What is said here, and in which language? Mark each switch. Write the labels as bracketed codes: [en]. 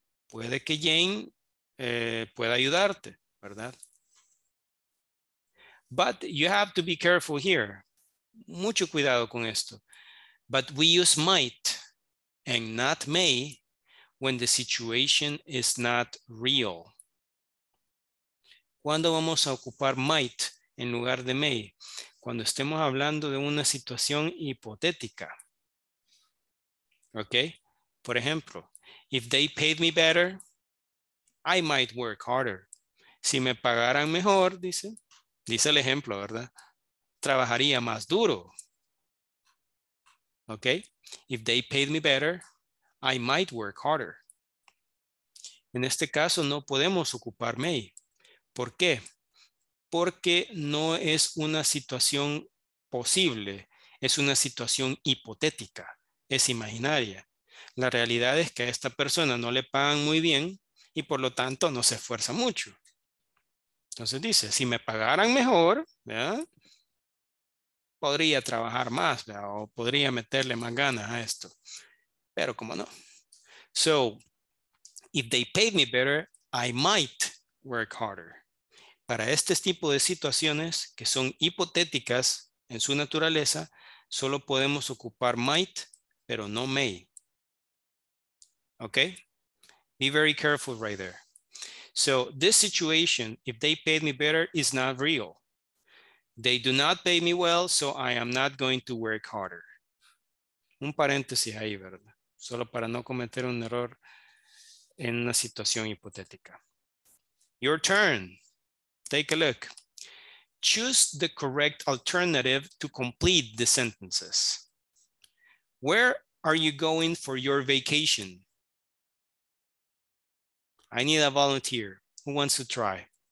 [es] Puede que Jane pueda ayudarte, ¿verdad? [en] But you have to be careful here. [es] Mucho cuidado con esto. [en] But we use might and not may when the situation is not real. [es] ¿Cuándo vamos a ocupar might en lugar de may? Cuando estemos hablando de una situación hipotética. Okay. Por ejemplo, [en] if they paid me better, I might work harder. [es] Si me pagaran mejor, dice el ejemplo, ¿verdad? Trabajaría más duro. Okay. [en] If they paid me better, I might work harder. [es] En este caso, no podemos ocupar may. ¿Por qué? Porque no es una situación posible, es una situación hipotética, es imaginaria. La realidad es que a esta persona no le pagan muy bien y por lo tanto no se esfuerza mucho. Entonces dice, si me pagaran mejor, ¿verdad? Podría trabajar más, ¿verdad? O podría meterle más ganas a esto. Pero cómo no. [en] So, if they paid me better, I might work harder. [es] Para este tipo de situaciones que son hipotéticas en su naturaleza, solo podemos ocupar might, pero no may. [en] Okay? Be very careful right there. So this situation, if they paid me better, is not real. They do not pay me well, so I am not going to work harder. [es] Un paréntesis ahí, ¿verdad? Solo para no cometer un error en una situación hipotética. [en] Your turn. Take a look. Choose the correct alternative to complete the sentences. Where are you going for your vacation? I need a volunteer. Who wants to try?